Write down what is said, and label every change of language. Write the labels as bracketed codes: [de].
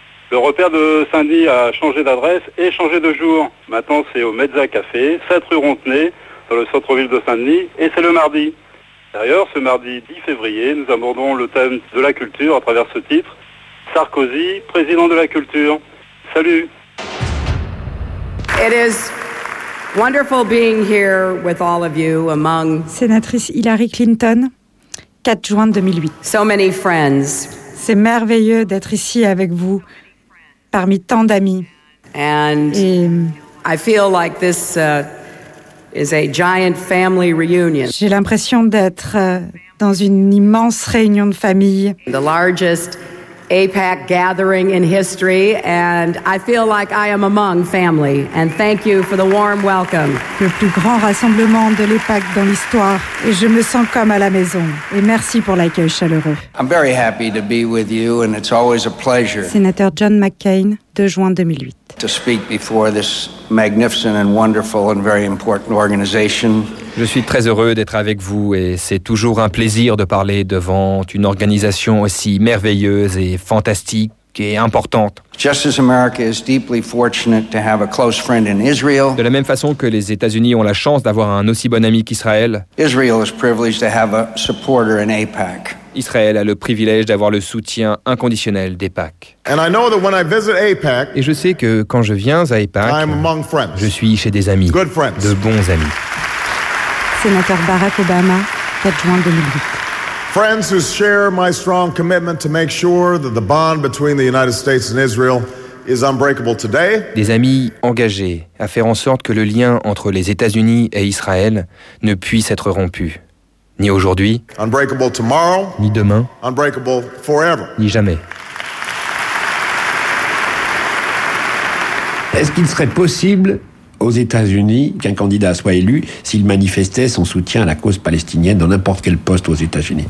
[fr] Le repère de Saint-Denis a changé d'adresse et changé de jour. Maintenant c'est au Mezza Café, 7 rue Rontenay, dans le centre-ville de Saint-Denis, et c'est le mardi. D'ailleurs, ce mardi 10 février, nous abordons le thème de la culture à travers ce titre. Sarkozy, président de la culture. Salut. [en] It is wonderful being here with all of you among [fr] sénatrice Hillary Clinton, 4 juin 2008. [en] So many friends. [fr] C'est merveilleux d'être ici avec vous parmi tant d'amis. [en] And [fr] et [en] I feel like this is a giant family reunion. [fr] J'ai l'impression d'être dans une immense réunion de famille. [en] The largest APAC gathering in history, and I feel like I am among family. And thank you for the warm welcome. [fr] Le plus grand rassemblement de l'APAC dans l'histoire, et je me sens comme à la maison. Et merci pour l'accueil chaleureux. [en] I'm very happy to be with you, and it's always a pleasure. [fr] Sénateur John McCain, 2 juin 2008. [en] To speak before this magnificent and wonderful and very important organization. [fr] Je suis très heureux d'être avec vous et c'est toujours un plaisir de parler devant une organisation aussi merveilleuse et fantastique et importante. [en] Just as America is deeply fortunate to have a close friend in Israel. [fr] De la même façon que les États-Unis ont la chance d'avoir un aussi bon ami qu'Israël. [en] Israel is privileged to have a supporter in APAC. [fr] Israël a le privilège d'avoir le soutien inconditionnel d'APAC. [en] And I know that when I visit APAC, [fr] et je sais que quand je viens à APAC, [en] I'm among friends. [fr] Je suis chez des amis, [en] good friends. [fr] De bons amis. Sénateur Barack Obama, 4 juin 2008. [en] Friends who share my strong commitment to make sure that the bond between the United States and Israel is unbreakable today. [fr] Des amis engagés à faire en sorte que le lien entre les États-Unis et Israël ne puisse être rompu, ni aujourd'hui, [en] unbreakable tomorrow, [fr] ni demain, [en] unbreakable forever, [fr] ni jamais. Est-ce qu'il serait possible aux États-Unis qu'un candidat soit élu s'il manifestait son soutien à la cause palestinienne dans n'importe quel poste aux États-Unis?